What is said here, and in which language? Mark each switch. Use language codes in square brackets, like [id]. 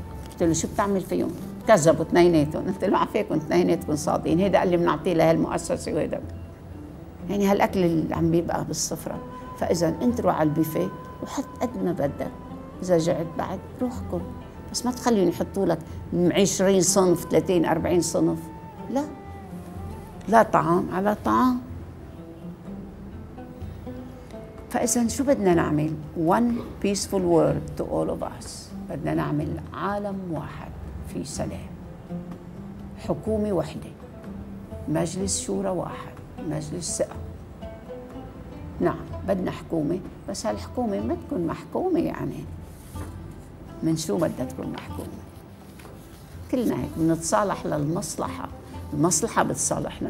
[ar] قلت له شو بتعمل فيهم؟ كذبوا اثنيناتهم. قلت له عافيكم اثنيناتكم صادقين، هيدا قال لي بنعطيه لهالمؤسسة وهيدا، يعني هالأكل اللي عم بيبقى بالصفرة. فإذا انت روح على البيفيه وحط قد ما بدك، إذا جعت بعد روحكم، بس ما تخليهم يحطوا لك 20 صنف 30 40 صنف، لا لا طعام على طعام. فإذا شو بدنا نعمل؟ [en] One peaceful world to all of us. [ar] بدنا نعمل عالم واحد في سلام، حكومة واحدة، مجلس شورى واحد، مجلس ثقة. نعم بدنا حكومة، بس هالحكومة ما تكون محكومة، يعني من شو بدها تكون محكومة؟ كلنا هيك منتصالح للمصلحة، المصلحة بتصالحنا.